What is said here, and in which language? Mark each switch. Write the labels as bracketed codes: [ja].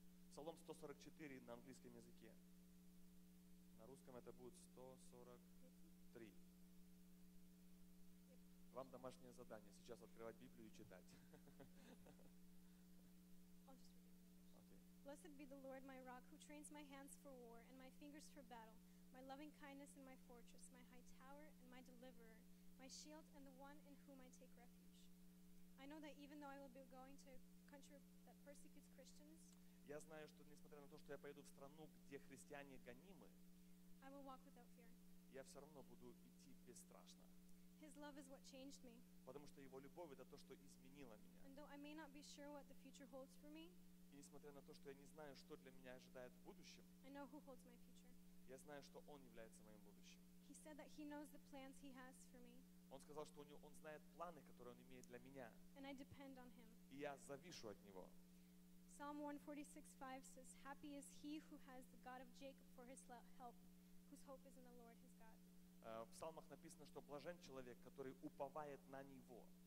[ru] Псалом 144 на английском языке. На русском это будет 143. Вам домашнее задание сейчас открывать Библию и читать. [en] Blessed be the Lord, my rock, who trains my hands for war and my fingers for battle, my loving kindness and my fortress, my high tower and my deliverer, my shield and the one in whom I take refuge. I know that even though I will be going to a country that persecutes Christians, [ru] я знаю, что несмотря на то, что я поеду в страну, где христиане гонимы, [en] I will walk without fear. [ru] Я все равно буду идти бесстрашно. [en] His love is what changed me. [ru] Потому что его любовь это то, что изменило меня. [en] And though I may not be sure what the future holds for me, [ru] и несмотря на то, что я не знаю, что для меня ожидает в будущем, [en] I know who holds my future. [ru] Я знаю, что он является моим будущим. [en] He said that he knows the plans he has for me. [ru] Он сказал, что он знает планы, которые он имеет для меня. [en] And I depend on him. [ru] И я завишу от него. [en] Psalm 146:5 says, "Happy is he who has the God of Jacob for his help, whose hope is in the Lord his God." [ru] В псалмах написано, что блажен человек, который уповает на Него.